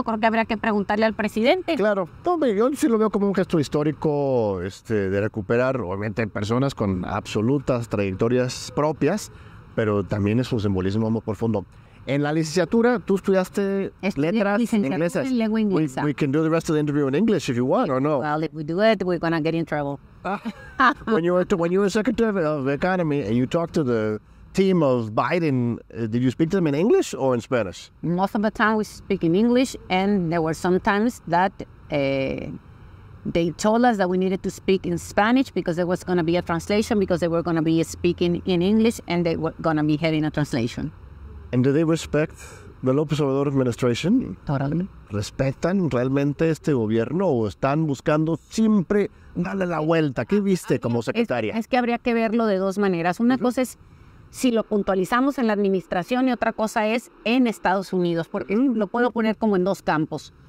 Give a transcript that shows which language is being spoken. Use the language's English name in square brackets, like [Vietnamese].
[Spanish] Yo creo que habría que preguntarle al presidente. Claro, yo sí lo veo como un gesto histórico de recuperar, obviamente, personas con absolutas trayectorias propias, pero también es un simbolismo muy profundo. En la licenciatura, tú estudiaste letras inglesas. En lengua inglesa. [English] We can do the rest of the interview in English if you want, or no? Well, if we do it, we're going to get in trouble. When you were Secretary of the Economy and you talked to the team of Biden, did you speak to them in English or in Spanish? Most of the time we speak in English, and there were some times that they told us that we needed to speak in Spanish because there was going to be a translation, because they were going to be speaking in English and they were going to be having a translation. And do they respect the López Obrador administration? Totally. [Spanish] ¿Respetan realmente este gobierno o están buscando siempre darle la vuelta? ¿Qué viste como secretaria? Es que habría que verlo de dos maneras. Una cosa es si lo puntualizamos en la administración y otra cosa es en Estados Unidos, porque lo puedo poner como en dos campos.